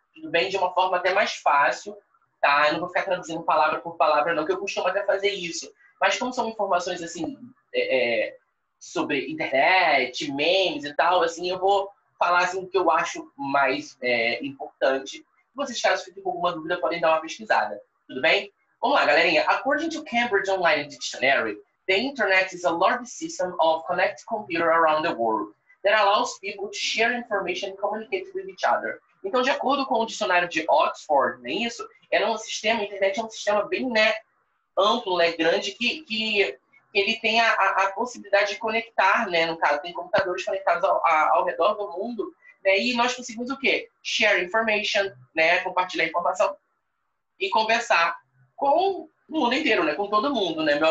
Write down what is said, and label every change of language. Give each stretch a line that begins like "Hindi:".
Portuguese: Tudo bem? De uma forma até mais fácil, tá? Eu não vou ficar traduzindo palavra por palavra, não, que eu costumo até fazer isso. Mas como são informações, assim, sobre internet, memes e tal, assim, eu vou falar, assim, o que eu acho mais importante. Vocês, caso fiquem com alguma dúvida, podem dar uma pesquisada. Tudo bem? Vamos lá, galerinha.
English: According to Cambridge Online Dictionary, the internet is a large system of connected computer around the world that allows people to share information and communicate with each other.
Portuguese: Então, de acordo com o dicionário de Oxford, nem isso, era um sistema, a internet é um sistema bem, né, amplo, né, grande, que ele tem a possibilidade de conectar, né, no caso, tem computadores conectados ao redor do mundo, né, e nós conseguimos o quê?
English: Share information,
Portuguese: né, compartilhar informação e conversar com o mundo inteiro, né, com todo mundo, né.